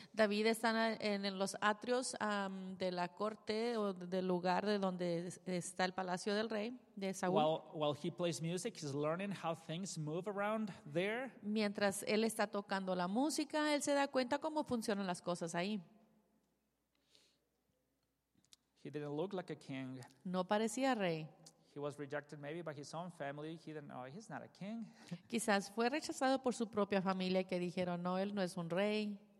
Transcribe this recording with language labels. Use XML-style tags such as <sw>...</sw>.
<es>David está en los atrios de la corte o del lugar de donde está el palacio del rey de Saúl.</es> <en>While he plays music, he's learning how things move around there.</en> <es>Mientras él está tocando la música, él se da cuenta cómo funcionan las cosas ahí.</es> <en>He didn't look like a king.</en> <es>No parecía rey.</es> <en>He was rejected maybe by his own family. He didn't know he's not a king.</en> <es>Quizás fue rechazado por su propia familia que dijeron, no, él no es un rey.</es>